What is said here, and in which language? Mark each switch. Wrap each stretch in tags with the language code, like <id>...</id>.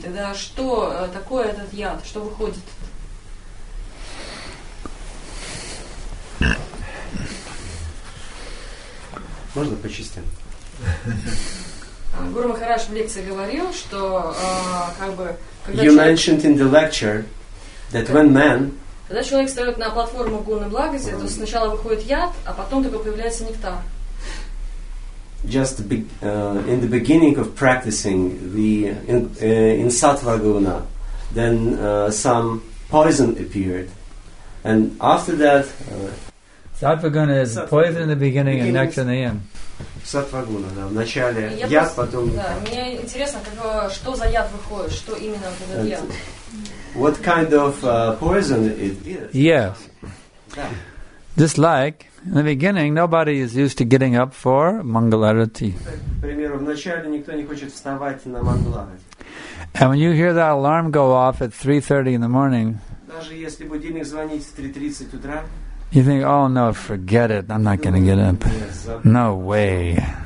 <ru>Тогда что такое этот яд? Что выходит? Можно почистим? Гуру Махарадж в лекции говорил, что как бы...</ru> <en>You mentioned in the lecture that when man...</en> <ru>Когда человек встает на платформу Гуны Благости, то сначала выходит яд, а потом только появляется нектар.</ru> <en>Just in the beginning of practicing the in Sattva Guna, then some poison appeared. And after that... Sattva Guna is poison in the beginning and nectar in the end.</en> <ru>Сатва Гуна, да. Вначале яд, потом... Да, мне интересно, что за яд выходит, что именно этот яд.</ru> <en>What kind of poison it is? Yes. Just like, in the beginning, nobody is used to getting up for mangalarati.</en> <ru>К примеру, вначале никто не хочет вставать на мангаларати.</ru> <en>And when you hear that alarm go off at 3:30 in the morning,</en> <ru>даже если будильник звонит в 3:30 утра,</ru> <en>you think, oh no, forget it, I'm not going to get up. No way.</en>